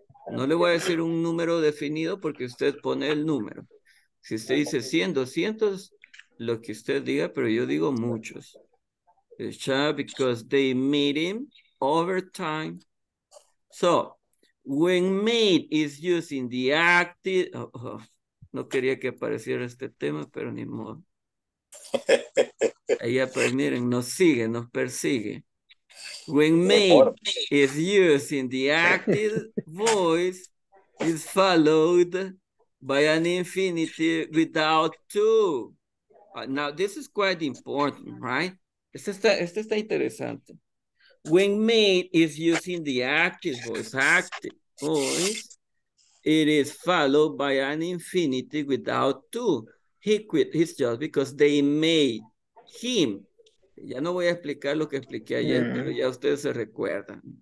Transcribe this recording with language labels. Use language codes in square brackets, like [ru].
[es] No le voy a decir un número definido porque usted pone el número. Si usted dice 100, 200, lo que usted diga, pero yo digo muchos. [en] Because they meet him over time. So, when meet is used in the active... [es] No quería que apareciera este tema, pero ni modo. Ahí, pues miren, nos sigue, nos persigue. [en] When made is used in the active voice, is followed by an infinitive without to. Now, this is quite important, right? [es] Este está interesante. [en] When made is used in the active voice, it is followed by an infinitive without to. He quit his job because they made him. [es] Ya no voy a explicar lo que expliqué ayer, pero ya ustedes se recuerdan.